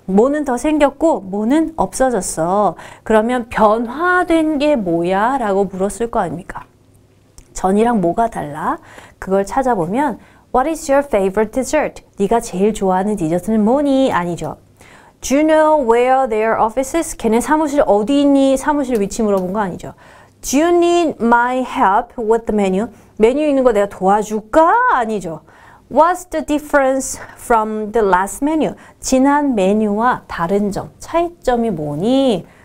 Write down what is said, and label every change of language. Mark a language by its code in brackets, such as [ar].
[ko] 뭐는 더 생겼고 뭐는 없어졌어. 그러면 변화된 게 뭐야? 라고 물었을 거 아닙니까? 전이랑 뭐가 달라? 그걸 찾아보면 [en] What is your favorite dessert? [ko] 네가 제일 좋아하는 디저트는 뭐니? 아니죠. [en] Do you know where their office is? [ko] 걔네 사무실 어디 있니? 사무실 위치 물어본 거 아니죠. [en] Do you need my help with the menu? [ko] 메뉴 있는 거 내가 도와줄까? 아니죠. [en] What's the difference from the last menu? [ko] 지난 메뉴와 다른 점, 차이점이 뭐니?